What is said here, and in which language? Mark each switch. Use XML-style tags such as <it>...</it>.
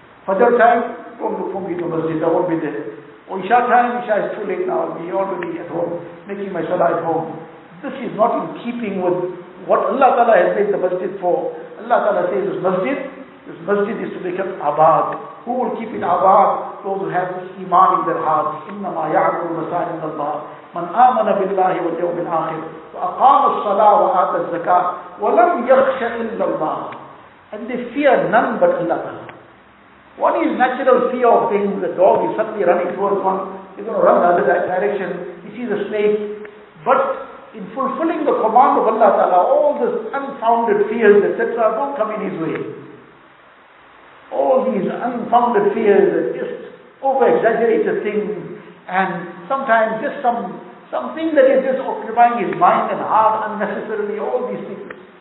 <en>Fajr time, don't look for me to the masjid, I won't be there. Or Isha time, Isha is too late now, I'll be already at home, making my salah at home. This is not in keeping with what Allah Ta'ala has made the masjid for. Allah Ta'ala says this masjid is to be kept abad. Who will keep it abad? Those who have this iman in their hearts.</en> <ar>Inna ma ya'kul masajid Allah. Man amana billahi wal yawm al akhir. وأقام الصلاة وآتى الزكاة ولم يخش إلا الله.</ar> <en>And they fear none but Allah. One is natural fear of things. The dog is suddenly running towards one, he's going to run the other direction, he sees a snake. But in fulfilling the command of Allah Ta'ala, all these unfounded fears, etc., don't come in his way. All these unfounded fears, just over exaggerated things, and sometimes just something that is just occupying his mind and heart unnecessarily, all these things.</en>